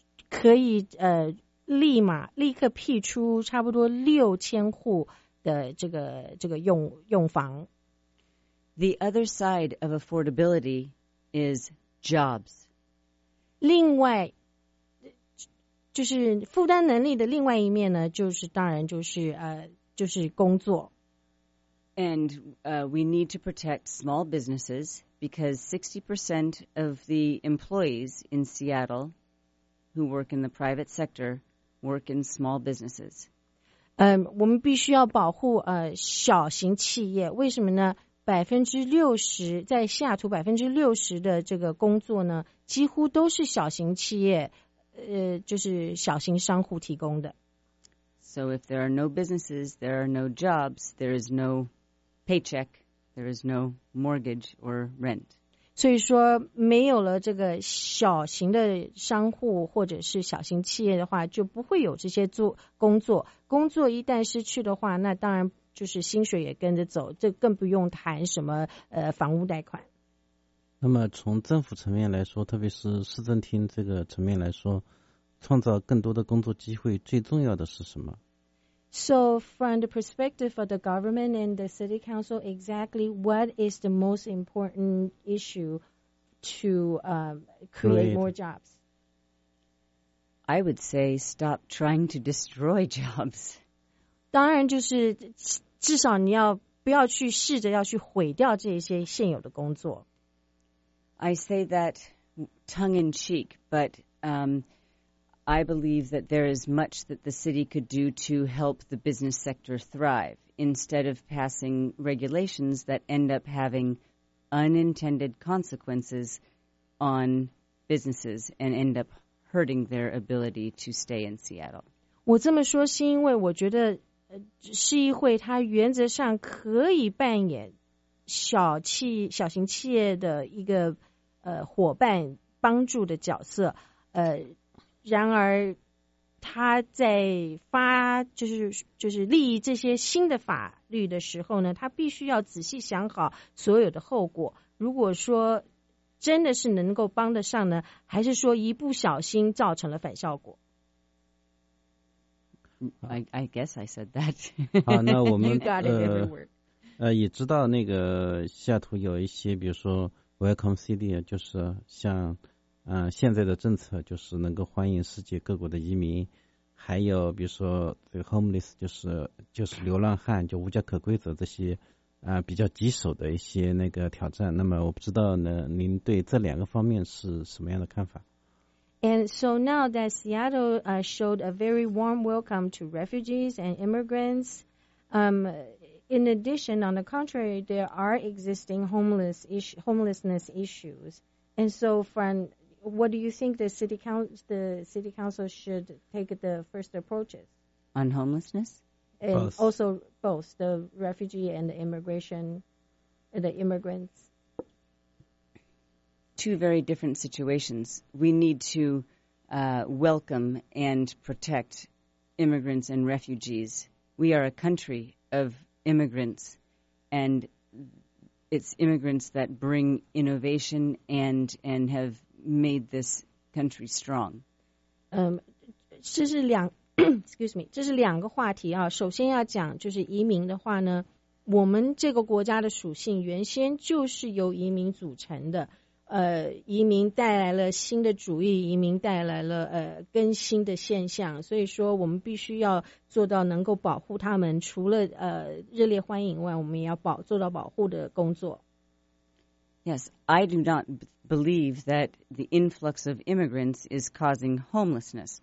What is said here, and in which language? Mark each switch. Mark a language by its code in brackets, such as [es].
[zh] 可以立刻辟出差不多6,000户的这个用房。 [en] The other side of affordability is jobs. [zh] 另外，就是负担能力的另外一面呢，就是当然就是工作。 [en] And we need to protect small businesses because 60% of the employees in Seattle who work in the private sector work in small businesses. [zh] 我们必须要保护小型企业。为什么呢？在西雅图60%的这个工作呢，几乎都是小型企业，就是小型商户提供的。 [en] So if there are no businesses, there are no jobs, there is no... paycheck, there is no mortgage or rent. [zh] 所以说没有了这个小型的商户或者是小型企业的话，就不会有这些工作一旦失去的话，那当然就是薪水也跟着走，这更不用谈什么房屋贷款。那么从政府层面来说，特别是市政厅这个层面来说，创造更多的工作机会最重要的是什么？ [en] So from the perspective of the government and the city council, exactly what is the most important issue to create more jobs? I would say stop trying to destroy jobs. [zh] 当然就是至少你要不要去试着要去毁掉这些现有的工作。 [en] I say that tongue in cheek, but... I believe that there is much that the city could do to help the business sector thrive instead of passing regulations that end up having unintended consequences on businesses and end up hurting their ability to stay in Seattle. [zh] 我这么说是因为我觉得市议会它原则上可以扮演小型企业的一个伙伴帮助的角色然而他在发就是立这些新的法律的时候呢，他必须要仔细想好所有的后果。如果说真的是能够帮得上呢，还是说一不小心造成了反效果？ [en] I guess I said that. [zh] 好，那我们 [en] you got it everywhere. [zh] 也知道那个西雅图有一些，比如说 Welcome City， 就是像现在的政策就是能够欢迎世界各国的移民，还有比如说 homeless， 就是流浪汉，就无家可归者这些比较棘手的一些那个挑战。那么我不知道呢，您对这两个方面是什么样的看法？ [en] And so now that Seattle showed a very warm welcome to refugees and immigrants, in addition, on the contrary, there are existing homelessness issues. And so, from what do you think the city council should take the first approaches on homelessness? And both. Also both the refugee and the immigration, the immigrants. Two very different situations. We need to welcome and protect immigrants and refugees. We are a country of immigrants, and it's immigrants that bring innovation and have made this country strong. [zh] 这是两 excuse me, 这是两个话题啊。首先要讲就是移民的话呢，我们这个国家的属性原先就是由移民组成的。移民带来了新的主义，移民带来了更新的现象，所以说我们必须要做到能够保护他们，除了热烈欢迎外，我们也要做到保护的工作。 [en] Yes, I do not believe that the influx of immigrants is causing homelessness.